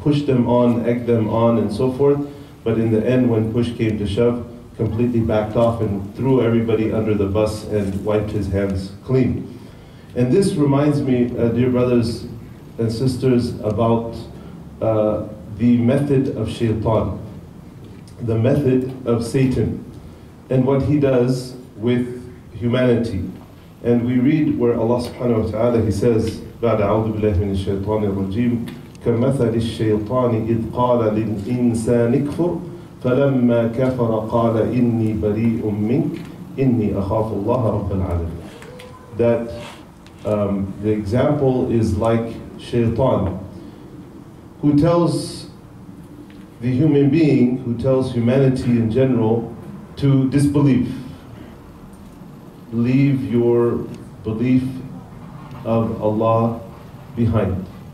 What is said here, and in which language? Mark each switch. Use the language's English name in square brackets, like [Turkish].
[English] Push them on, egg them on, and so forth. But in the end, when push came to shove, completely backed off and threw everybody under the bus and wiped his hands clean. And this reminds me, dear brothers and sisters, about the method of Shaytan, the method of Satan, and what he does with humanity. And we read where Allah subhanahu wa ta'ala, he says, [Arabic] بَعْدَ عَوْدُ بِاللَّهِ مِنِ الشَّيْطَانِ الرَّجِيمِ كَمَثَلِ الشَّيْطَانِ إِذْ قَالَ لِلْإِنسَانِ اكْفُرْ فَلَمَّا كَفَرَ قَالَ إِنِّي بَرِيءٌ مِّنْكَ إِنِّي أَخَافُ اللَّهَ رَبَّ الْعَالَمِينَ. [English] That the example is like Shaytan, who tells the human being, who tells humanity in general, to disbelieve. Leave your belief of Allah behind.